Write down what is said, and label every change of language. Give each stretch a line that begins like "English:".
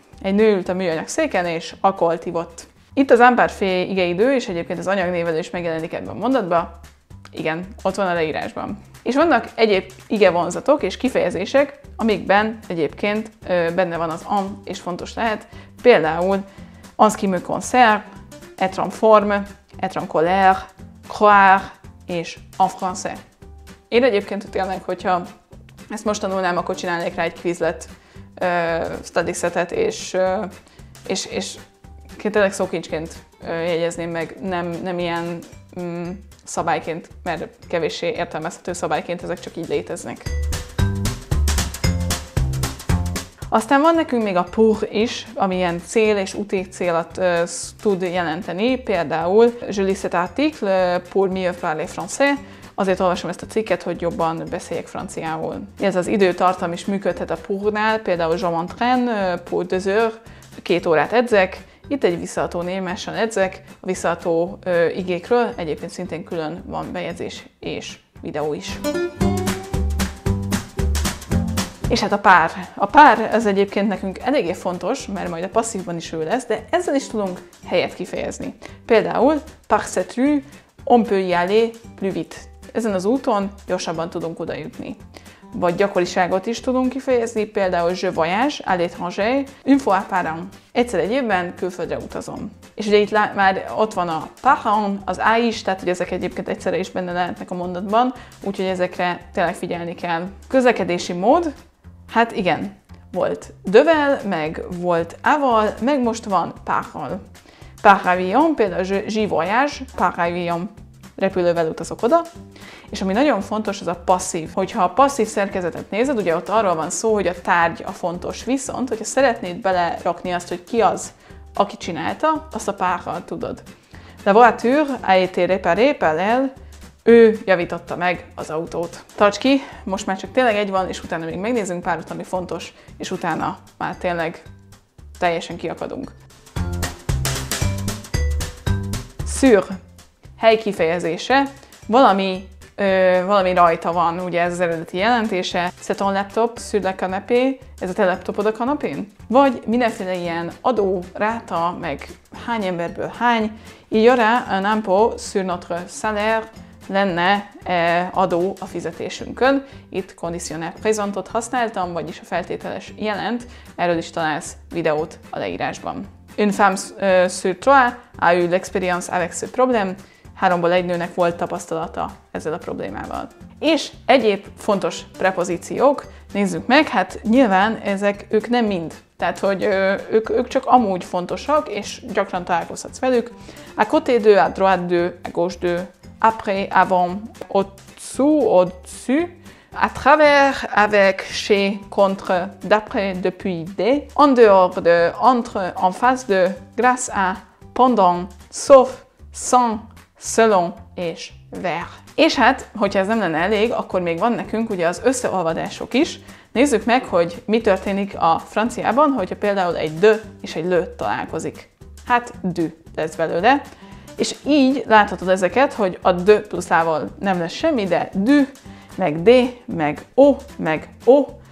Hungarian: Egy nő ült a műanyag széken és alkoholt ivott. Itt az imparfait igeidő, és egyébként az anyagnévvel is megjelenik ebben a mondatban. Igen, ott van a leírásban. És vannak egyéb igevonzatok és kifejezések, amikben egyébként benne van az am, és fontos lehet. Például
French: en ce qui me concerne, être en forme, être en colère, croire és en français.
Hungarian: Én egyébként tényleg, hogyha ezt most tanulnám, akkor csinálnék rá egy quizlet study setet, és tényleg szókincsként jegyezném meg, nem ilyen szabályként, mert kevéssé értelmezhető szabályként ezek csak így léteznek. Aztán van nekünk még a pour is, ami ilyen cél és utégcélat tud jelenteni, például
French: je lis cet article pour mieux parler français,
Hungarian: azért olvasom ezt a cikket, hogy jobban beszéljek franciául. Ez az időtartam is működhet a pour-nál, például
French: je m'entraîne pour 2 heures,
Hungarian: 2 órát edzek. Itt egy visszaható némesen edzek, a visszaható igékről egyébként szintén külön van bejegyzés és videó is. És hát a pár. A pár az egyébként nekünk eléggé fontos, mert majd a passzívban is ő lesz, de ezzel is tudunk helyet kifejezni. Például
French: par cette rue, on peut y aller plus vite.
Hungarian: Ezen az úton gyorsabban tudunk oda jutni. Vagy gyakoriságot is tudunk kifejezni, például
French: je voyage à l'étranger, une fois par an.
Hungarian: Egyszer egy évben külföldre utazom. És ugye itt már ott van a par an, az a is, tehát hogy ezek egyébként egyszerre is benne lehetnek a mondatban, úgyhogy ezekre tényleg figyelni kell. Közlekedési mód? Hát igen, volt Devel, meg volt Aval, meg most van Paral. Paravion, például
French: Je voyage, Paravion,
Hungarian: repülővel utazok oda. És ami nagyon fontos, az a passzív. Hogyha a passzív szerkezetet nézed, ugye ott arról van szó, hogy a tárgy a fontos, viszont hogyha szeretnéd belerakni azt, hogy ki az, aki csinálta, azt a párral tudod.
French: La voiture a été réparée par elle,
Hungarian: ő javította meg az autót. Tarts ki, most már csak tényleg egy van, és utána még megnézzünk párat, ami fontos, és utána már tényleg teljesen kiakadunk. Sur, hely kifejezése, valami rajta van, ugye ez az eredeti jelentése.
French: C'est ton laptop sur le canapé,
Hungarian: ez a te laptopod a kanapén? Vagy mindenféle ilyen adó, ráta, meg hány emberből hány.
French: Il y aura un impôt sur notre salaire,
Hungarian: lenne adó a fizetésünkön. Itt conditionnel présentot használtam, vagyis a feltételes jelent. Erről is találsz videót a leírásban.
French: Une femme sur trois a eu l'expérience avec ce problème.
Hungarian: Háromból egy nőnek volt tapasztalata ezzel a problémával. És egyéb fontos prepozíciók, nézzük meg, hát nyilván ezek, ők nem mind. Tehát, hogy ők csak amúgy fontosak, és gyakran találkozhatsz velük.
French: À côté de, à droite de, à gauche de, après, avant, au-dessous, au-dessus, à travers, avec, chez, contre, d'après, depuis, des, en dehors de, entre, en face de, grâce à, pendant, sauf, sans, selon és vers.
Hungarian: És hát, hogyha ez nem lenne elég, akkor még van nekünk ugye az összeolvadások is. Nézzük meg, hogy mi történik a franciában, hogyha például egy de és egy le találkozik. Hát, du lesz belőle. És így láthatod ezeket, hogy a de pluszával nem lesz semmi, de du, meg de, meg o, meg o.